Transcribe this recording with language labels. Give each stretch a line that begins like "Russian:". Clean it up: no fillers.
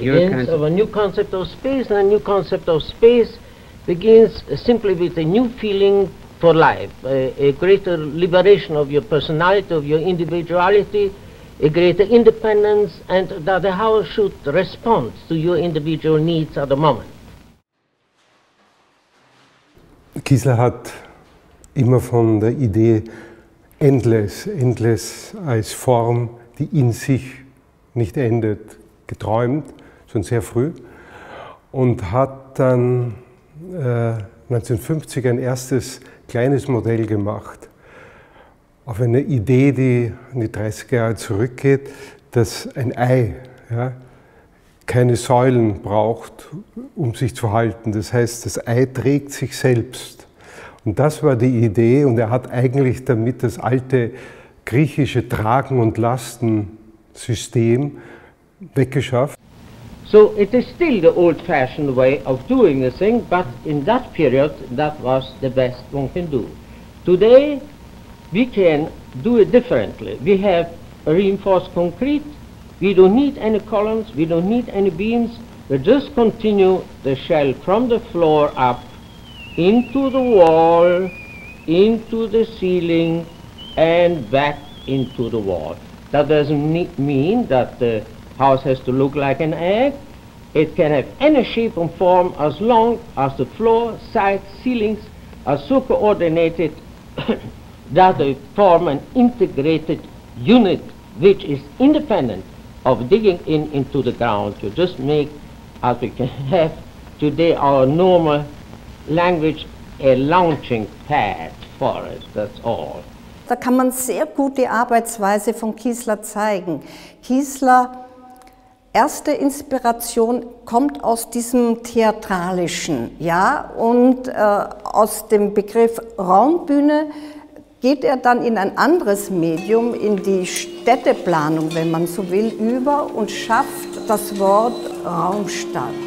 English: Your concept of a new concept of space, and a new concept of space begins simply with a new feeling for life, a greater liberation of your personality, of your individuality, a greater independence, and that the house should respond to your individual needs at the moment.
German: Kiesler hat immer von der Idee endless, endless als Form, die in sich nicht endet, geträumt, schon sehr früh, und hat dann 1950 ein erstes kleines Modell gemacht. Auf eine Idee, die in die 30er Jahre zurückgeht, dass ein Ei, ja, keine Säulen braucht, um sich zu halten. Das heißt, das Ei trägt sich selbst. Und das war die Idee, und er hat eigentlich damit das alte griechische Tragen- und Lastensystem weggeschafft.
English: So, it is still the old-fashioned way of doing a thing, but in that period, that was the best one can do. Today, we can do it differently. We have reinforced concrete, We don't need any columns, we don't need any beams, we just continue the shell from the floor up into the wall, into the ceiling, and back into the wall. That doesn't mean that the house has to look like an egg. It can have any shape and form as long as the floor, sides, ceilings are so coordinated that they form an integrated unit which is independent of digging in into the ground. You just make, as we can have today, our normal language, a launching pad for us, that's all.
German: Da kann man sehr gut die Arbeitsweise von Kiesler zeigen. Kiesler erste Inspiration kommt aus diesem Theatralischen, ja, und aus dem Begriff Raumbühne geht er dann in ein anderes Medium, in die Städteplanung, wenn man so will, über und schafft das Wort Raumstadt.